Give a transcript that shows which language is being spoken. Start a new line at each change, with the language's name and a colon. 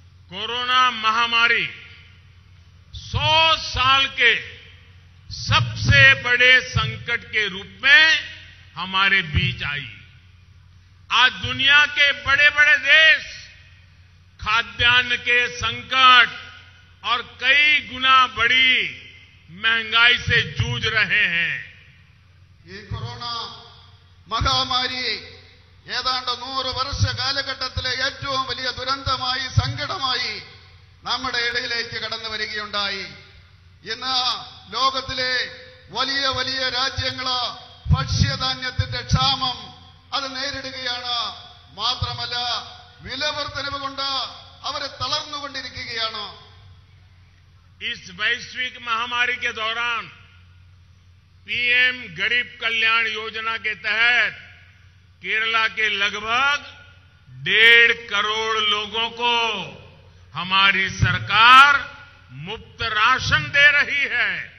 Hindi: Corona महामारी 100 साल के सबसे बड़े संकट के रूप में हमारे बीच आई। आज दुनिया के बड़े बड़े देश खाद्यान्न के संकट और कई गुना बड़ी महंगाई से जूझ रहे हैं। ये कोरोना महामारी
Malayalam: ഏതാണ്ട് 100 വർഷ കാലഘട്ടത്തിലെ ഏറ്റവും വലിയ ദുരന്തമായി സങ്കടമായി നമ്മുടെ ഇടയിലേക്ക് കടന്നു വരികയുണ്ടായി. ഇന്ന് ലോകത്തിലെ വലിയ വലിയ രാജ്യങ്ങളെ ഭക്ഷ്യധാന്യത്തിന്റെ ക്ഷാമം അത് നേരിടുകയാണ്. മാത്രമല്ല വിലവർദ്ധനവ് കൊണ്ട് അവരെ തളർന്നുകൊണ്ടിരിക്കുകയാണ്.
Hindi: ഈസ് വൈശ്വിക മഹാമാരിക്ക് ദൗരാൻ പിഎം ഗരീബ് കല്യാൺ യോജനക്ക് തഹത് केरला के लगभग 1.5 करोड़ लोगों को हमारी सरकार मुफ्त राशन दे रही है।